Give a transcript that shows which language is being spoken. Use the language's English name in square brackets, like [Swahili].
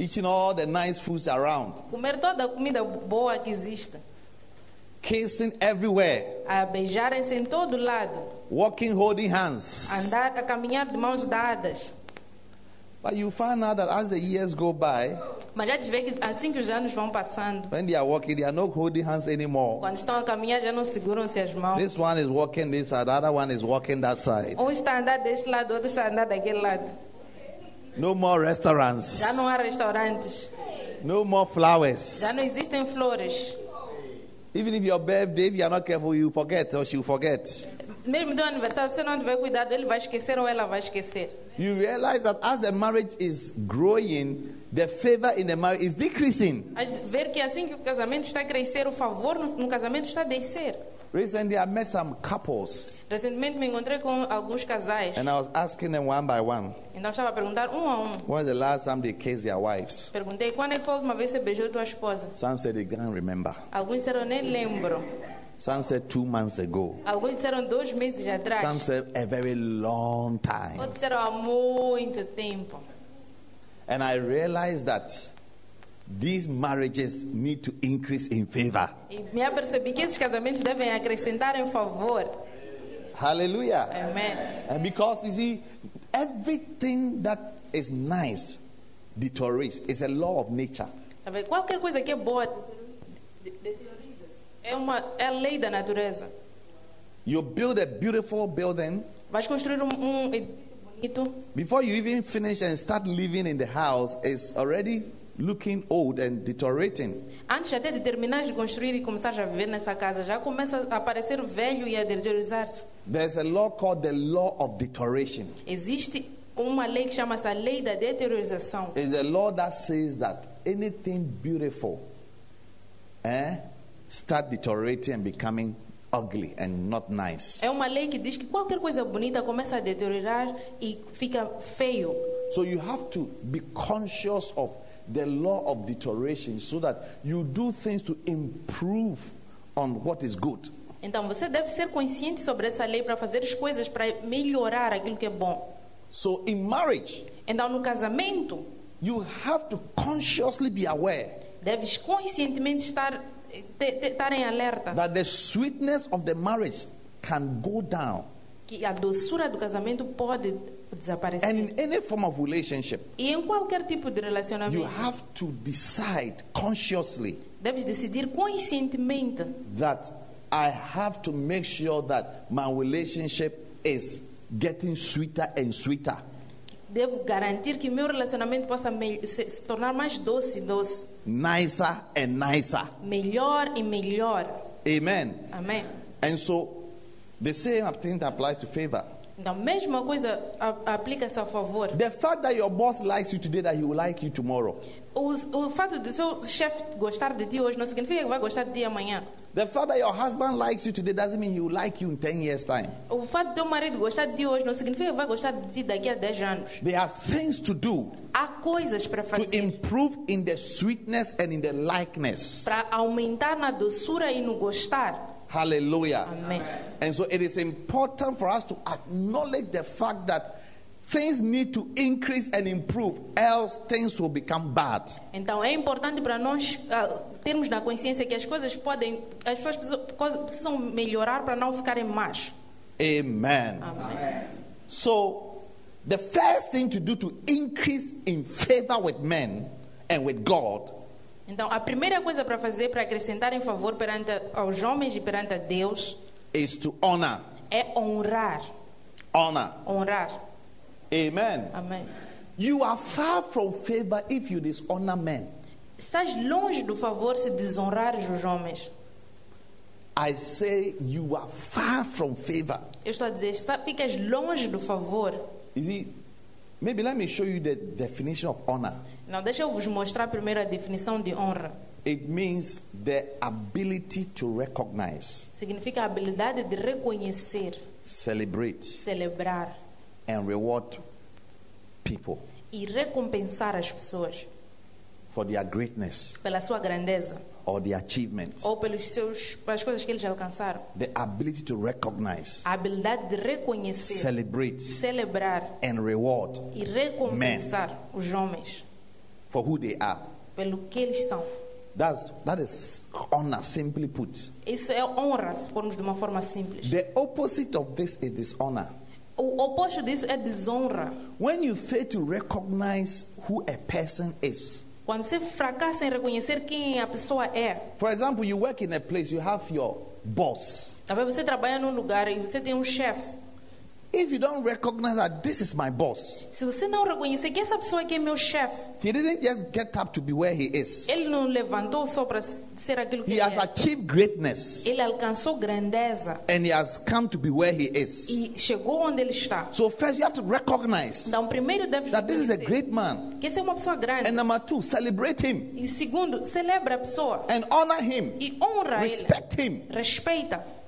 [English] Eating all the nice foods around. [Portuguese] Comer toda a comida boa que existe. [English] Kissing everywhere. [Portuguese] A beijarem-se em todo lado. [English] Walking holding hands. [Portuguese] Andar a caminhar de mãos dadas. [English] But you find out that as the years go by, [Portuguese] mas já te vê que assim que os anos vão passando, [English] when they are walking, they are not holding hands anymore. [Portuguese] Quando estão a caminhar, já não seguram-se as mãos. [English] This one is walking this side, the other one is walking that side. [Portuguese] Um está a andar deste lado, outro está a andar daquele lado. [English] No more restaurants. [Portuguese] Já não há restaurantes. [English] No more flowers. [Portuguese] Já não existem flores. [English] Even if your birthday, if you are not careful, you forget or she will forget. [Portuguese] Mesmo do aniversário, se não tiver cuidado, ele vai esquecer ou ela vai esquecer. [English] You realize that as the marriage is growing, the favor in the marriage is decreasing. [Portuguese] Ver que assim que o casamento está a crescer, o favor no casamento está a descer. [English] Recently, I met some couples. [Portuguese] Recentemente, me encontrei com alguns casais. [English] And I was asking them one by one. [Portuguese] Então, estava a perguntar um a um. [English] When was the last time they kissed their wives? [Portuguese] Perguntei, quando é que foi uma vez que você beijou tua esposa? [English] Some said they can't remember. [Portuguese] Alguns disseram, nem lembro. [English] Some said 2 months ago. [Portuguese] Alguns disseram, 2 meses atrás. [English] Some said, a very long time. [Portuguese] Outros disseram, há muito tempo. [English] And I realized that these marriages need to increase in favor. [Portuguese] Me apercebi que esses casamentos devem acrescentar em favor. [English] Hallelujah. [Portuguese] Amen. [English] And because you see, everything that is nice deteriorates. It's a law of nature. [Portuguese] Qualquer coisa que é boa deteriora. É a lei da natureza. [English] You build a beautiful building. [Portuguese] Vais construir um bonito. [English] Before you even finish and start living in the house, it's already looking old and deteriorating. [Portuguese] Antes até de terminar de construir e começar a viver nessa casa, já começa a aparecer velho e a deteriorar-se. [English] There's a law called the law of deterioration. [Portuguese] Existe uma lei que chama-se a lei da deterioração. [English] It's a law that says that anything beautiful, start deteriorating and becoming ugly and not nice. [Portuguese] É uma lei que diz que qualquer coisa bonita começa a deteriorar e fica feio. [English] So you have to be conscious of the law of deterioration so that you do things to improve on what is good. [Portuguese] Então você deve ser consciente sobre essa lei para fazer as coisas para melhorar aquilo que é bom. [English] So in marriage, [Portuguese] então no casamento, [English] you have to consciously be aware. [Portuguese] Deves conscientemente estar estar em alerta. [English] That the sweetness of the marriage can go down. [Portuguese] Que a doçura do casamento pode desaparecer. [English] And in any form of relationship, [Portuguese] e em qualquer tipo de relacionamento, [English] you have to decide consciously. [Portuguese] Deves decidir conscientemente [English] that I have to make sure that my relationship is getting sweeter and sweeter. [Portuguese] Devo garantir que meu relacionamento possa se tornar mais doce e doce. [English] Nicer and nicer. [Portuguese] Melhor e melhor. [English] Amen. [Portuguese] Amém. [English] And so the same thing applies to favor. [Portuguese] Então, mesma coisa aplica-se ao favor. [English] The fact that your boss likes you today, that he will like you tomorrow. [Portuguese] O fato do seu chefe gostar de ti hoje não significa que vai gostar de ti amanhã. [English] The fact that your husband likes you today doesn't mean he will like you in 10 years' time. [Portuguese] O fato do marido gostar de ti hoje não significa que vai gostar de ti daqui a 10 anos. [English] There are things to do. [Portuguese] Há coisas para fazer. [English] To improve in the sweetness and in the likeness. [Portuguese] Para aumentar na doçura e no gostar. [English] Hallelujah. [Portuguese] Amen. [English] And so it is important for us to acknowledge the fact that things need to increase and improve, else things will become bad. [Portuguese] Então é importante para nós termos na consciência que as coisas precisam melhorar para não ficarem más. [English] Amen. [Portuguese] Amen. [English] So, the first thing to do to increase in favor with men and with God. [Portuguese] Então, a primeira coisa para fazer para acrescentar em favor perante aos homens e perante a Deus [English] is to honor. [Portuguese] É honrar. [English] Honor. [Portuguese] Honrar. [English] Amen. [Portuguese] Amém. [English] You are far from favor if you dishonor men. [Portuguese] Estás longe do favor se desonrares os homens. [English] I say you are far from favor. [Portuguese] Eu estou a dizer, ficas longe do favor. [English] You see, maybe let me show you the definition of honor. [Portuguese] Não, deixa eu vos mostrar primeiro a definição de honra. [English] It means the ability to recognize. [Portuguese] Significa a habilidade de reconhecer. [English] Celebrate. [Portuguese] Celebrar. [English] And reward people. [Portuguese] E recompensar as pessoas. [English] For their greatness. [Portuguese] Pela sua grandeza. [English] Or their achievements. [Portuguese] Ou pelas coisas que eles alcançaram. [English] The ability to recognize. [Portuguese] A habilidade de reconhecer. [English] Celebrate. [Portuguese] Celebrar. [English] And reward. [Portuguese] E recompensar os homens. [English] For who they are. [Portuguese] Pelo que eles são. [English] That is honor, simply put. [Portuguese] Isso é honra, se formos de uma forma simples. [English] The opposite of this is dishonor. [Portuguese] O oposto disso é desonra. [English] When you fail to recognize who a person is. [Portuguese] Quando você fracassa em reconhecer quem a pessoa é. [English] For example, you work in a place, you have your boss. [Portuguese] Talvez você trabalhe num lugar e você tem chefe. [English] If you don't recognize that this is my boss, [Portuguese] se você não reconhecer que essa pessoa aqui é meu chefe, [English] he didn't just get up to be where he is. [Portuguese] Ele não levantou só para ser aquilo que [English] he has achieved greatness. [Portuguese] Ele alcançou grandeza. [English] And he has come to be where he is. [Portuguese] E chegou onde ele está. [English] So first you have to recognize [Portuguese] então, primeiro, deve [English] that this is a great man. [Portuguese] Que essa é uma pessoa grande. [English] And number two, celebrate him. [Portuguese] E segundo, celebra a pessoa. [English] And honor him. [Portuguese] E honra ele. [English] Respect him. [Portuguese] Respeita.